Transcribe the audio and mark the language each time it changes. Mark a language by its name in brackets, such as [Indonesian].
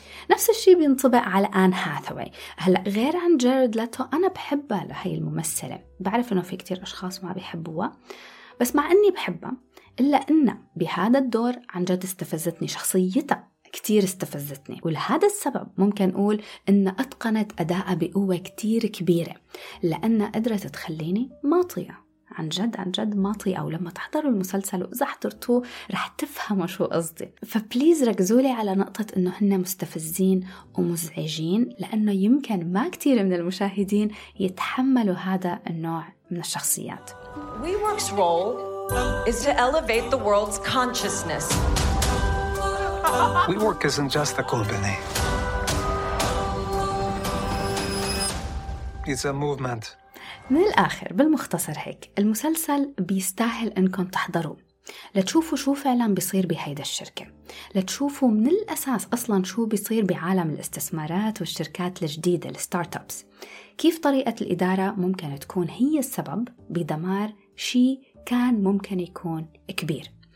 [Arabic] نفس الشيء بينطبق على آن هاثاوي. هلأ غير عن جارد لاتو أنا بحبها لهي الممثلة، بعرف أنه في كتير أشخاص ما بيحبوها، بس مع أني بحبها إلا أنه بهذا الدور عن جد استفزتني، شخصيتها كتير استفزتني، ولهذا السبب ممكن أقول أنه أتقنت أداءها بقوة كتير كبيرة، لأنه قدرت تخليني ماطية عن جد عن جد ماطية. أو لما تحضروا المسلسل وإذا حضرتوه رح تفهموا شو قصدي. فبليز ركزولي على نقطة إنه هن مستفزين ومزعجين، لأنه يمكن ما كتير من المشاهدين يتحملوا هذا النوع من الشخصيات. [English] WeWork's role is to elevate the world's consciousness. WeWork isn't just a company. It's a movement. [Arabic] من الآخر بالمختصر هيك، المسلسل بيستاهل أنكم تحضروا لتشوفوا شو فعلا بيصير بهيدا الشركة، لتشوفوا من الأساس أصلا شو بيصير بعالم الاستثمارات والشركات الجديدة الستارتوبس، كيف طريقة الإدارة ممكن تكون هي السبب بدمار شيء كان ممكن يكون كبير.